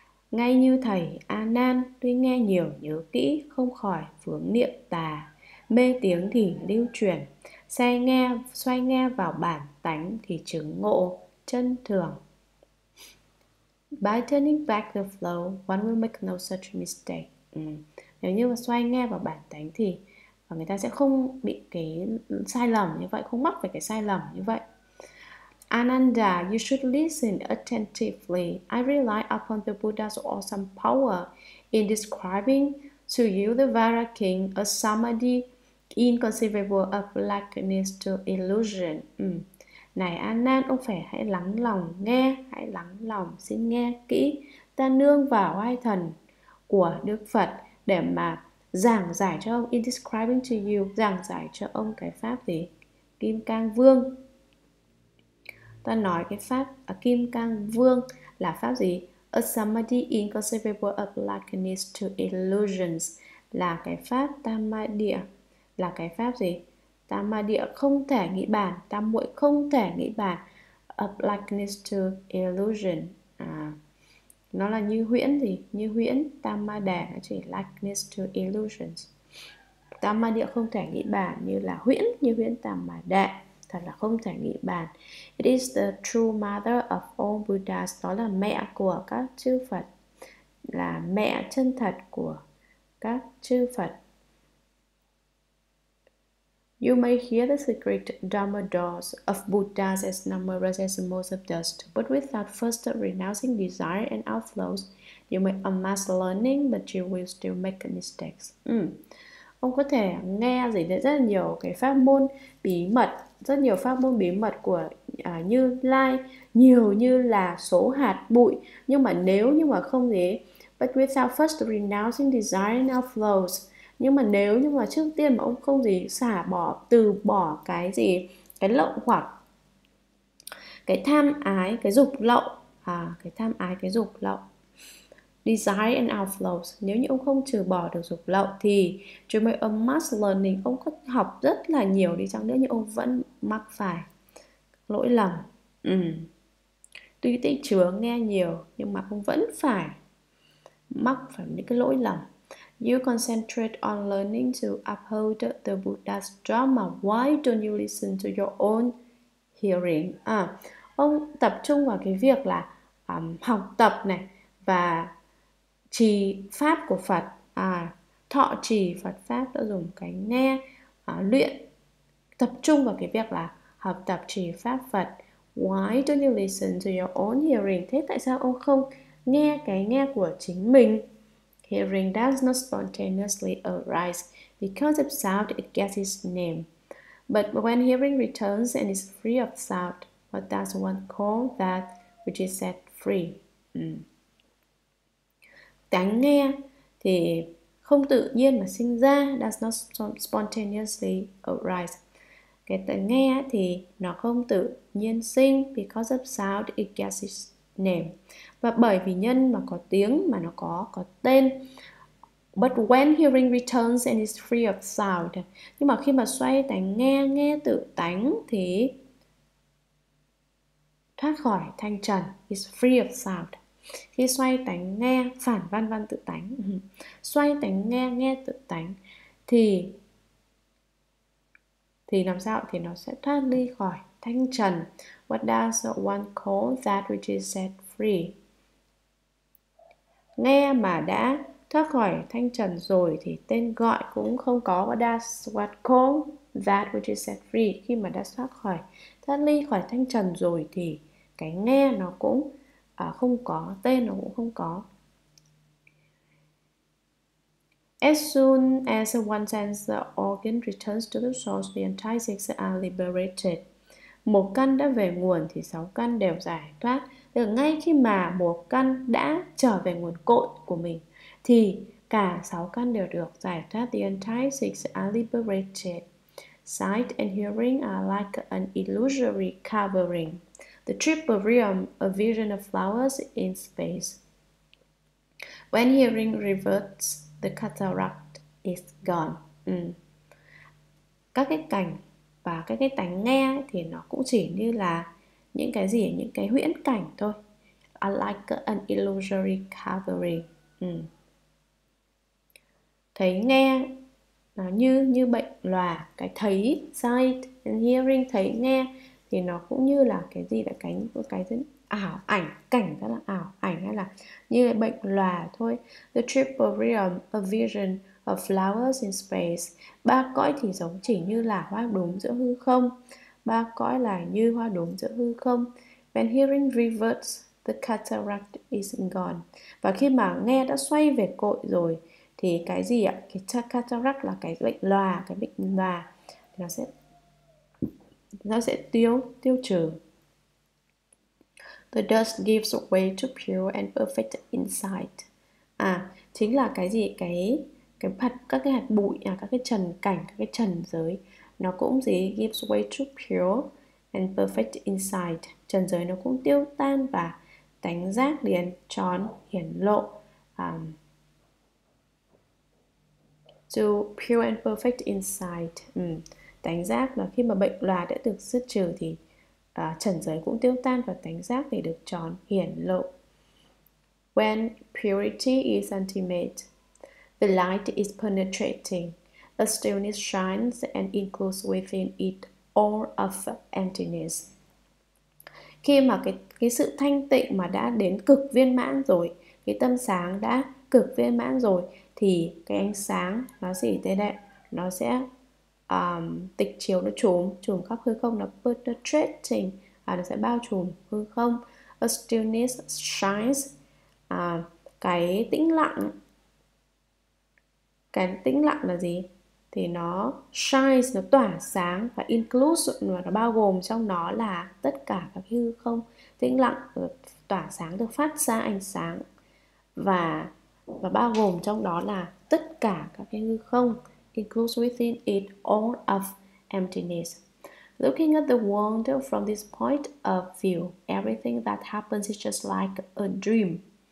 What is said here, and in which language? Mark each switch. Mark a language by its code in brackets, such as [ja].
[vi] Ngay như thầy A Nan, tuy nghe nhiều nhớ kỹ không khỏi vướng niệm tà, mê tiếng thì lưu truyền, xoay nghe vào bản tánh thì chứng ngộ chân thường. [en] By turning back the flow, one will make no such mistake. [vi] Nếu như mà xoay nghe vào bản tánh thì người ta sẽ không bị cái sai lầm như vậy, không mắc phải cái sai lầm như vậy. [en] Ananda, you should listen attentively. I rely upon the Buddha's awesome power in describing to you the Varakin, a samadhi inconceivable of likeness to illusion. [vi] Này Anan, ông phải hãy lắng lòng nghe, hãy lắng lòng xin nghe kỹ. Ta nương vào oai thần của Đức Phật để mà giảng giải cho ông, [en] in describing to you, [vi] giảng giải cho ông cái pháp gì? Kim Cang Vương. Ta nói cái pháp Kim Cang Vương là pháp gì? [en] A samadhi inconceivable of likeness to illusions, [vi] là cái pháp tam địa, là cái pháp gì? Tam địa không thể nghĩ bàn, tam muội không thể nghĩ bàn, [en] of likeness to illusion. [vi] Nó là như huyễn gì? Như huyễn tam ma đề, nó chỉ [en] likeness to illusions. [vi] Tam ma địa không thể nghĩ bàn, như huyễn tam ma đề, thật là không thể nghĩ bàn. [en] It is the true mother of all Buddhas. [vi] Đó là mẹ của các chư Phật, là mẹ chân thật của các chư Phật. [en] You may hear the secret Dhamma doors of Buddhas as numerous as most of dust, but without first renouncing desire and outflows, you may amass learning, but you will still make mistakes. [vi] Ông có thể nghe gì đấy, rất là nhiều cái pháp môn bí mật, rất nhiều pháp môn bí mật của Như Lai, nhiều như là số hạt bụi, nhưng mà nếu như mà không gì, [en] but without first renouncing desire and outflows, [vi] nhưng mà nếu như mà trước tiên mà ông không gì xả bỏ, từ bỏ cái gì, cái lậu hoặc, cái tham ái, cái dục lậu, cái tham ái, cái dục lậu, [en] desire and outflows, [vi] nếu như ông không trừ bỏ được dục lậu thì [en] you may amass learning, [vi] ông có học rất là nhiều đi chăng nữa nhưng ông vẫn mắc phải lỗi lầm. Tuy tị chứa nghe nhiều nhưng mà ông vẫn phải mắc phải những cái lỗi lầm. [en] You concentrate on learning to uphold the Buddha's Dharma. Why don't you listen to your own hearing? [vi] Ông tập trung vào cái việc là học tập này và trì pháp của Phật, thọ trì Phật pháp, đã dùng cái nghe luyện tập trung vào cái việc là học tập trì pháp Phật. [en] Why don't you listen to your own hearing? [vi] Thế tại sao ông không nghe cái nghe của chính mình? [en] Hearing does not spontaneously arise because of sound, it gets its name. But when hearing returns and is free of sound, what does one call that which is set free? [vi] Tánh nghe thì không tự nhiên mà sinh ra, [en] does not spontaneously arise. [vi] Cái tánh nghe thì nó không tự nhiên sinh, [en] because of sound, it gets its name. [vi] Và bởi vì nhân mà có tiếng, mà nó có tên. [en] But when hearing returns and is free of sound, [vi] nhưng mà khi mà xoay tánh nghe, nghe tự tánh thì thoát khỏi thanh trần, [en] is free of sound. [vi] Khi xoay tánh nghe, phản văn văn tự tánh, xoay tánh nghe, nghe tự tánh thì làm sao? Thì nó sẽ thoát ly khỏi thanh trần. [en] What does one call that which is set free? [vi] Nghe mà đã thoát khỏi thanh trần rồi thì tên gọi cũng không có. [en] What does one call that which is set free? [vi] Khi mà đã thoát khỏi, thoát ly khỏi thanh trần rồi thì cái nghe nó cũng không có, tên nó cũng không có. [en] As soon as one sense organ returns to the source, the entire six are liberated. [vi] Một căn đã về nguồn thì sáu căn đều giải thoát. Từ ngay khi mà một căn đã trở về nguồn cội của mình thì cả sáu căn đều được giải thoát. [en] The entire six are liberated. Sight and hearing are like an illusory covering. The triple realm, a vision of flowers in space. When hearing reverts, the cataract is gone. [vi] Các cái cảnh và các cái tánh nghe thì nó cũng chỉ như là những cái gì, những cái huyễn cảnh thôi. [en] I like an illusory covering. [vi] Thấy nghe nó như như bệnh loà. Cái thấy, [en] sight and hearing, [vi] thấy nghe thì nó cũng như là cái gì, là cái thứ ảo ảnh, cảnh rất là ảo ảnh, hay là như là bệnh lòa thôi. [en] The triple realm, a vision of flowers in space. [vi] Ba cõi thì giống chỉ như là hoa đốm giữa hư không. Ba cõi là như hoa đốm giữa hư không. [en] When hearing reverts, the cataract is gone. [vi] Và khi mà nghe đã xoay về cội rồi thì cái gì ạ? Cái cataract là cái bệnh lòa, cái bệnh lòa nó sẽ tiêu trừ. [en] The dust gives way to pure and perfect insight. [vi] À, chính là cái gì? Cái hạt, các cái hạt bụi, các cái trần cảnh, các cái trần giới, nó cũng gì? [en] Gives way to pure and perfect insight. [vi] Trần giới nó cũng tiêu tan và tánh giác liền tròn hiển lộ. [en] To pure and perfect insight. [vi] Tánh giác là khi mà bệnh loà đã được dứt trừ thì trần giới cũng tiêu tan và tánh giác thì được tròn hiển lộ. [en] When purity is ultimate, the light is penetrating, the stillness shines and includes within it all of emptiness. [vi] Khi mà cái sự thanh tịnh mà đã đến cực viên mãn rồi, cái tâm sáng đã cực viên mãn rồi thì cái ánh sáng nó gì thế đấy, nó sẽ tịch chiếu, nó trùm khắp hư không, nó [en] penetrating, [vi] nó sẽ bao trùm hư không. [en] A stillness shines, [vi] cái tĩnh lặng là gì thì nó [en] shines, [vi] nó tỏa sáng và [en] includes, [vi] và nó bao gồm trong nó là tất cả các hư không. Tĩnh lặng tỏa sáng, được phát ra ánh sáng và bao gồm trong đó là tất cả các cái hư không. [en] Includes within it all of emptiness. Looking at the world from this point of view, everything that happens is just like a dream.